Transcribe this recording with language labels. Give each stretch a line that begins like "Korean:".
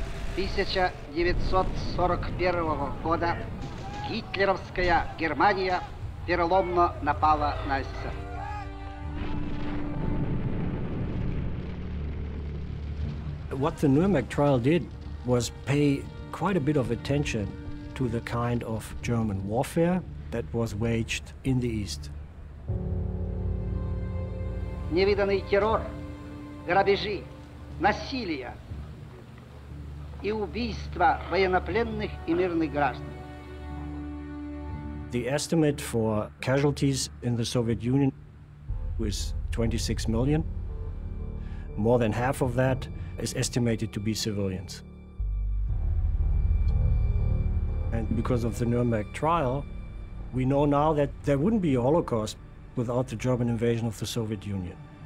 Russian: В 1941 года гитлеровская Германия переломно напала на СССР.
English: What the Nuremberg trial did was pay quite a bit of attention to the kind of German warfare that was waged in the East.
Russian: Невиданный террор, грабежи, насилие и убийства военнопленных и мирных граждан.
English: The estimate for casualties in the Soviet Union was 26 million. More than half of that is estimated to be civilians. And because of the Nuremberg trial, we know now that there wouldn't be a Holocaust without the German invasion of the Soviet Union.